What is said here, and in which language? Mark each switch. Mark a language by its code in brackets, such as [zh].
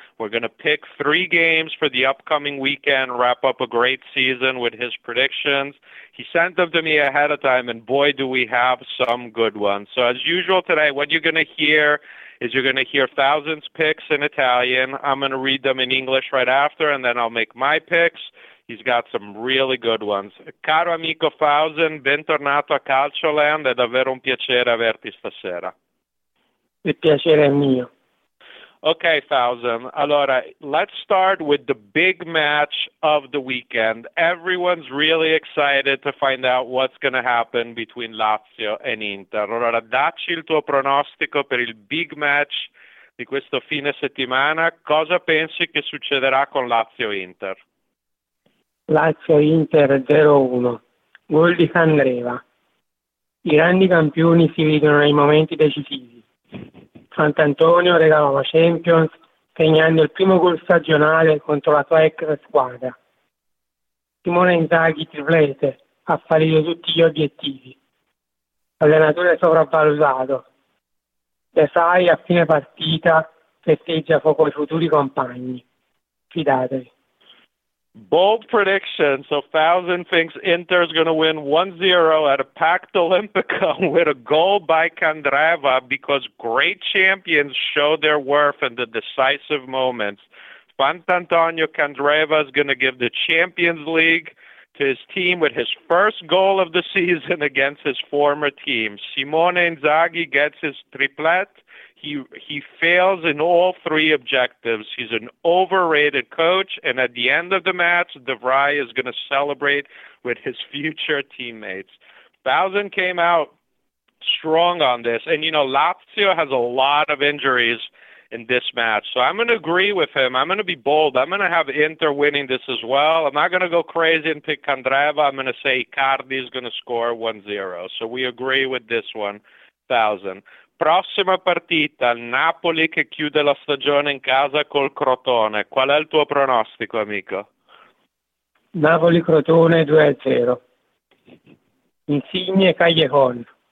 [en] We're going to pick three games for the upcoming weekend, wrap up a great season with his predictions. He sent them to me ahead of time, and boy, do we have some good ones. So as usual today, what you're going to hear is you're going to hear Thousand's picks in Italian. I'm going to read them in English right after, and then I'll make my picks. He's got some really good ones. [it] Caro amico Thousand, bentornato a Calcioland. È davvero un piacere averti stasera. Il piacere è mio. [en] Okay, Thousand. Allora, let's start with the big match of the weekend. Everyone's really excited to find out what's going to happen between Lazio and Inter. [it] Allora, dacci il tuo pronostico per il big match di questo fine settimana. Cosa pensi che succederà con Lazio-Inter? Lazio-Inter 0-1. Gol di Candreva. I grandi campioni si vedono nei momenti decisivi. Sant'Antonio regalò la Champions segnando il primo gol stagionale contro la sua ex squadra. Simone Inzaghi triplete, ha fallito tutti gli obiettivi. Allenatore sopravvalutato. Desai a fine partita festeggia fuoco i futuri compagni. Fidatevi. [en] Bold prediction. So Thousand thinks Inter is going to win 1-0 at a packed Olympico with a goal by Candreva because great champions show their worth in the decisive moments. Sant'Antonio Candreva is going to give the Champions League to his team with his first goal of the season against his former team. Simone Inzaghi gets his triplet. He fails in all three objectives. He's an overrated coach, and at the end of the match, De Vrij is going to celebrate with his future teammates. Thousand came out strong on this, and you know, Lazio has a lot of injuries in this match, so I'm going to agree with him. I'm going to be bold. I'm going to have Inter winning this as well. I'm not going to go crazy and pick Candreva. I'm going to say Icardi is going to score 1-0. So we agree with this one, Thousand. [it] Prossima partita, Napoli che chiude la stagione in casa col Crotone. Qual è il tuo pronostico, amico? Napoli-Crotone 2-0. Insigne Callejon.